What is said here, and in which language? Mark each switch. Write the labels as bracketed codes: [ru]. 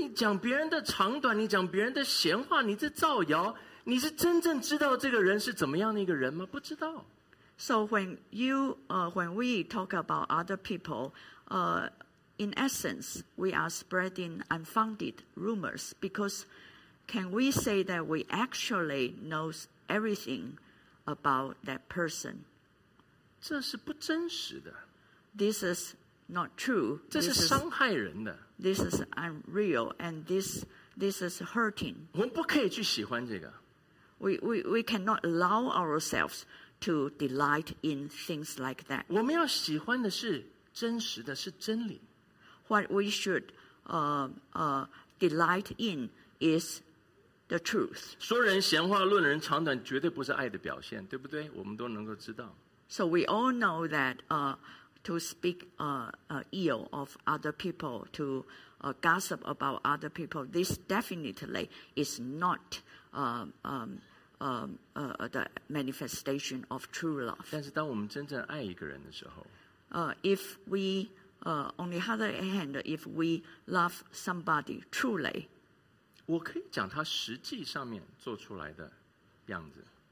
[zh] 你讲别人的长短，你讲别人的闲话，你是造谣，你是真正知道这个人是怎么样的一个人吗？不知道。 [en] So when you, when we talk about other people, in essence, we are spreading unfounded rumors. Because can we say that we actually know everything about that person? [zh] 这是不真实的。 [en] This is not true. [zh] 这是伤害人的。 [en] This is unreal, and this is hurting. [zh] 我们不可以去喜欢这个。 [en] We cannot allow ourselves. To delight in things like that. [zh] 我们要喜欢的是真实的，是真理。 [en] What we should delight in is the truth. [zh] 说人闲话，论人长短，绝对不是爱的表现，对不对？我们都能够知道。 [en] So we all know that to speak ill of other people, to gossip about other people, this definitely is not the manifestation of true love. [zh] 但是当我们真正爱一个人的时候， [en] if we, on the other hand, if we love somebody truly, [zh] 我可以讲他实际上面做出来的样子。